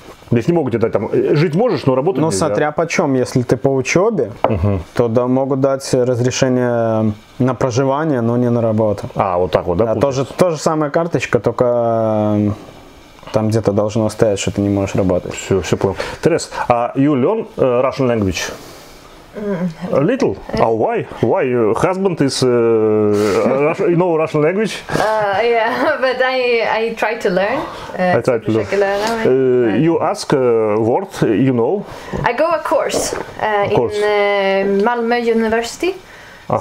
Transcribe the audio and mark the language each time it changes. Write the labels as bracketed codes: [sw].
[ru] Здесь не могут тебе дать там, жить можешь, но работать нельзя. Ну, смотря почем, если ты по учебе, uh-huh. то да, могут дать разрешение на проживание, но не на работу. А, вот так вот, да? Тоже самая карточка, только там где-то должно стоять, что ты не можешь работать. Все, все понял. [en] Терес, а you learn Russian language? A little? А why? Why? Your husband is Russian, you know Russian language? Yeah, but I try to learn. I try to learn. You ask word, you know? I go a course, course. In Malmö University. Uh-huh.